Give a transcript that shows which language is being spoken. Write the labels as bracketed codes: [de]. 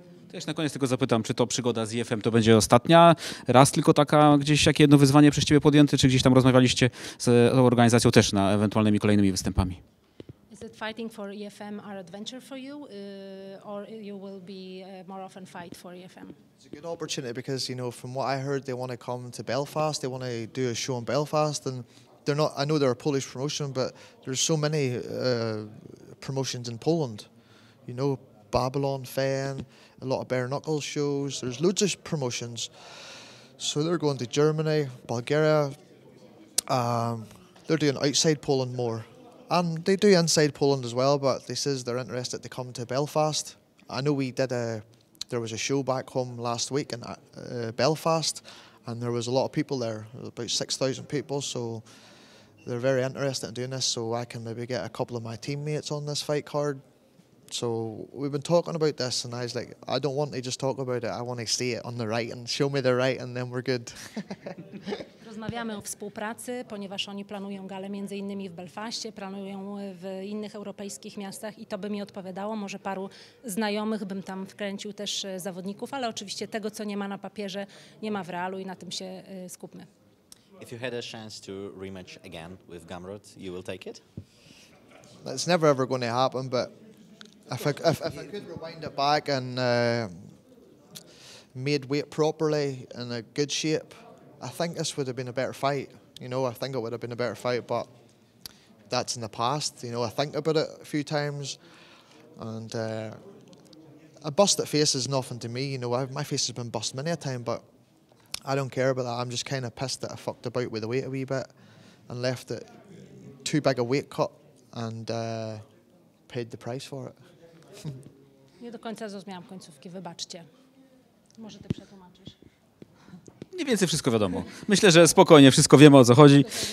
[pl] To jeszcze na koniec tylko zapytam, czy to przygoda z EFM to będzie ostatnia? Raz tylko taka gdzieś jakie jedno wyzwanie przez ciebie podjęte, czy gdzieś tam rozmawialiście z tą organizacją też na ewentualnymi kolejnymi występami? [en] Is it fighting for EFM an adventure for you, or you will be more often fight for EFM? It's a good opportunity because, you know, from what I heard, they want to come to Belfast, they want to do a show in Belfast, and they're not, I know they're a Polish promotion, but there's so many promotions in Poland. You know, Babylon Fan, a lot of bare knuckle shows, there's loads of promotions. So they're going to Germany, Bulgaria, they're doing outside Poland more. And they do inside Poland as well, but they says they're interested to come to Belfast. I know we did there was a show back home last week in Belfast, and there was a lot of people there, about 6,000 people. So they're very interested in doing this, so I can maybe get a couple of my teammates on this fight card. So we've been talking about this, and I was like, I don't want to just talk about it. I want to see it on the right and show me the right, and then we're good. [pl] Rozmawiamy o współpracy, ponieważ oni planują galę między innymi w Belfaście, planują w innych europejskich miastach i to by mi odpowiadało. Może paru znajomych bym tam wkręcił też zawodników, ale oczywiście tego, co nie ma na papierze, nie ma w realu i na tym się skupmy. [en] If you had a chance to rematch again with Gamrot, you will take it? It's never ever going to happen, but if I could rewind it back and made weight properly in a good shape, I think this would have been a better fight. You know, I think it would have been a better fight, but that's in the past. You know, I think about it a few times, and a busted face is nothing to me. You know, my face has been busted many a time, but I don't care about that. I'm just kind of pissed that I fucked about with the weight a wee bit and left it too big a weight cut and paid the price for it. [pl] Nie do końca zrozumiałam końcówki, wybaczcie. Może ty przetłumaczysz. Mniej więcej wszystko wiadomo. Myślę, że spokojnie wszystko wiemy, o co chodzi.